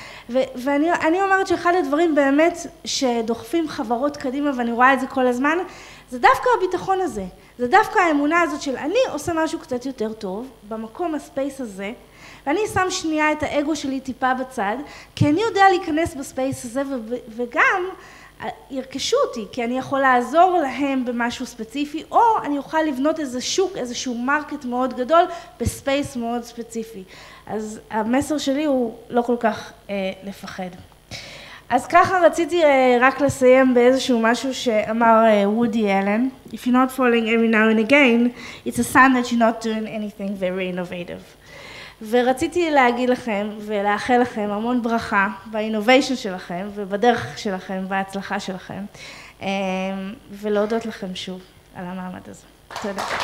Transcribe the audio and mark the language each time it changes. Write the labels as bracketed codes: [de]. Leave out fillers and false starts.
[he] ואני אומרת שאחד הדברים באמת שדוחפים חברות קדימה, ואני רואה את זה כל הזמן, זה דווקא הביטחון הזה, זה דווקא האמונה הזאת של אני עושה משהו קצת יותר טוב במקום הספייס הזה, ואני שם שנייה את האגו שלי טיפה בצד, כי אני יודע להיכנס בספייס הזה וגם ירכשו אותי, כי אני יכול לעזור להם במשהו ספציפי, או אני אוכל לבנות איזה שוק, איזשהו מרקט מאוד גדול בספייס מאוד ספציפי. אז המסר שלי הוא לא כל כך לפחד. אז ככה רציתי רק לסיים באיזשהו משהו שאמר וודי אלן. [en] If you're not falling every now and again, it's a sign that you're not doing anything very innovative. [he] ורציתי להגיד לכם ולאחל לכם המון ברכה באינוביישן שלכם ובדרך שלכם, בהצלחה שלכם, ולהודות לכם שוב על המעמד הזה. תודה.